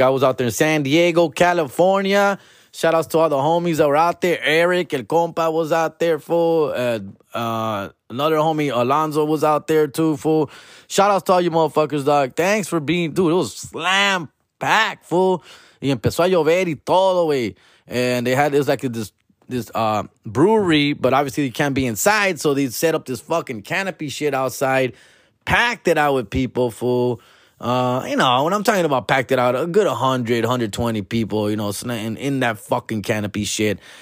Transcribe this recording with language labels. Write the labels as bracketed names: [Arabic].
[English] I was out there in San Diego, California. Shout outs to all the homies that were out there. Eric, [Spanish] el compa, [English] was out there, fool. Another homie, Alonzo, was out there too, fool. Shout outs to all you motherfuckers, dog. Thanks for being, dude, it was slam packed, fool. [Spanish] Y empezó a llover y todo, wey. [English] And they had, it was like this brewery, but obviously they can't be inside, so they set up this fucking canopy shit outside, packed it out with people, fool. You know, when I'm talking about packed it out, a good 100, 120 people, you know, in that fucking canopy shit.